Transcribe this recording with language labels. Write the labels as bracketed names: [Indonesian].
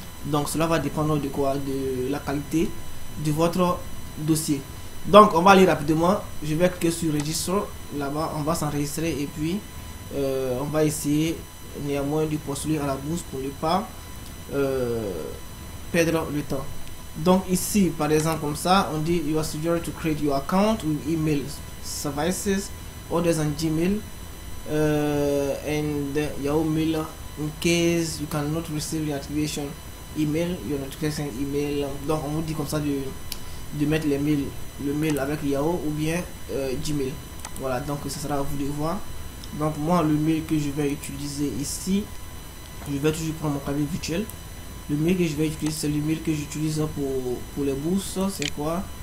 [French] Donc cela va dépendre de quoi? De la qualité de votre dossier. Donc, on va aller rapidement. Je vais cliquer sur register. Là-bas, on va s'enregistrer et puis on va essayer néanmoins de postuler à la bourse pour ne pas perdre le temps. Donc, ici, par exemple, comme ça, on dit [English] You are suggested to create your account with email services other than Gmail and Yahoo Mail in case you cannot receive your activation email, your notification email. [French] Donc, on vous dit comme ça de mettre les mails. Le mail avec Yahoo ou bien Gmail. Voilà, donc ça sera à vous de voir. Donc moi, le mail que je vais utiliser ici, je vais toujours prendre mon clavier virtuel. Le mail que je vais utiliser, c'est le mail que j'utilise pour les bourses. C'est quoi?